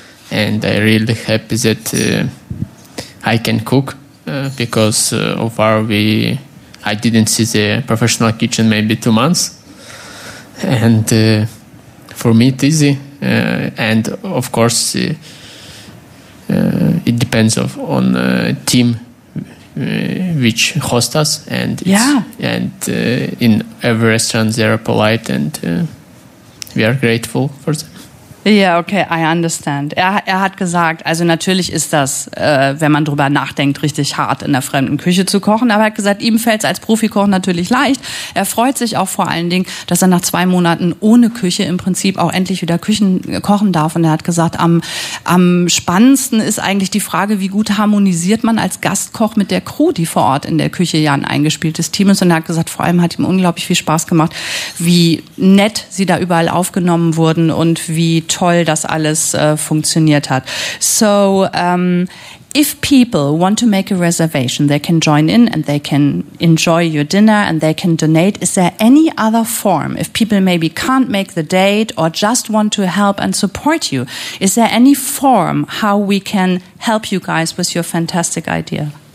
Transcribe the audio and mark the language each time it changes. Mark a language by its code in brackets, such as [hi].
[en] and I really happy that I can cook because so far I didn't see the professional kitchen maybe 2 months, and for me it's easy, and of course it depends on team which host us, and in every restaurant they are polite, and we are grateful for them. Yeah, okay, I understand. [de] Er hat gesagt, also natürlich ist das, wenn man drüber nachdenkt, richtig hart, in der fremden Küche zu kochen. Aber er hat gesagt, ihm fällt es als Profikoch natürlich leicht. Er freut sich auch vor allen Dingen, dass er nach 2 Monaten ohne Küche im Prinzip auch endlich wieder Küchen kochen darf. Und er hat gesagt, am spannendsten ist eigentlich die Frage, wie gut harmonisiert man als Gastkoch mit der Crew, die vor Ort in der Küche ja ein eingespieltes Team ist. Und er hat gesagt, vor allem hat ihm unglaublich viel Spaß gemacht, wie nett sie da überall aufgenommen wurden und wie toll das alles funktioniert hat. [en] So, if people want to make a reservation, they can join in and they can enjoy your dinner and they can donate. Is there any other form? If people maybe can't make the date or just want to help and support you, is there any form how we can help you guys with your fantastic idea?